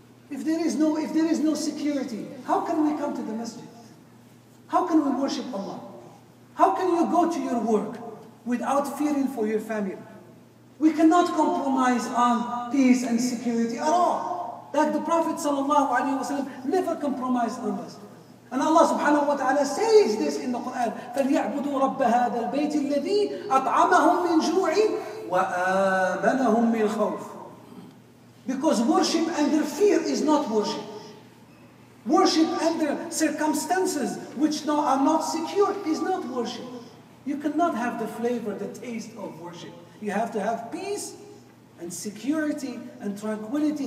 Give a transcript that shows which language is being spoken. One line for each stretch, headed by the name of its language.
English: If there is no security, how can we come to the masjid? How can we worship Allah? How can you go to your work without fearing for your family? We cannot compromise on peace and security at all. That the Prophet sallallahu alaihi wasallam never compromised on this. And Allah subhanahu wa ta'ala says this in the Quran,
Arabic: فَلْيَعْبُدُوا رَبَّ هَذَا الْبَيْتِ الَّذِي أَطْعَمَهُمْ مِنْ جُوعٍ وَآمَنَهُمْ مِنْ خَوْفٍ.
English: Because worship under fear is not worship. Worship under circumstances which are not secure is not worship. You cannot have the flavor, the taste of worship. You have to have peace and security and tranquility.